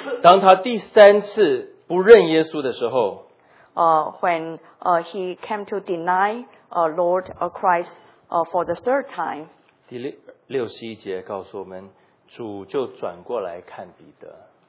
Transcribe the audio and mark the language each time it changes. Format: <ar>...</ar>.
<zh>当他第三次不认耶稣的时候</zh> <en>when he came to deny Lord Christ for the third time,</en> <zh>第六十一节告诉我们主就转过来看彼得。</zh>